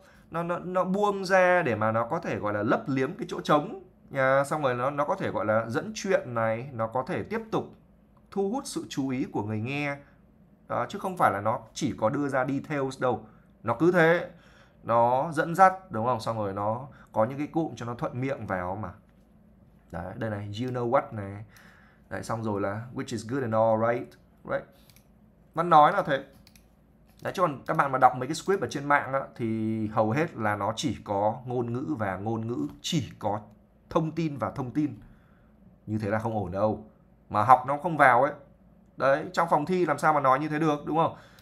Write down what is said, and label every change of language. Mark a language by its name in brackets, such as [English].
[Vietnamese] nó buông ra để mà nó có thể gọi là lấp liếm cái chỗ trống nha, xong rồi nó có thể gọi là dẫn chuyện này, nó có thể tiếp tục thu hút sự chú ý của người nghe đó, chứ không phải là nó chỉ có đưa ra details đâu, nó cứ thế nó dẫn dắt đúng không, xong rồi nó có những cái cụm cho nó thuận miệng vào mà. Đấy, đây này, [English] you know what [Vietnamese] này. Đấy, xong rồi là [English] which is good and all right. [Vietnamese] Nó nói là thế. Đấy, chứ còn các bạn mà đọc mấy cái script ở trên mạng á, thì hầu hết là nó chỉ có ngôn ngữ và ngôn ngữ, chỉ có thông tin và thông tin. Như thế là không ổn đâu. Mà học nó không vào ấy. Đấy, trong phòng thi làm sao mà nói như thế được, đúng không?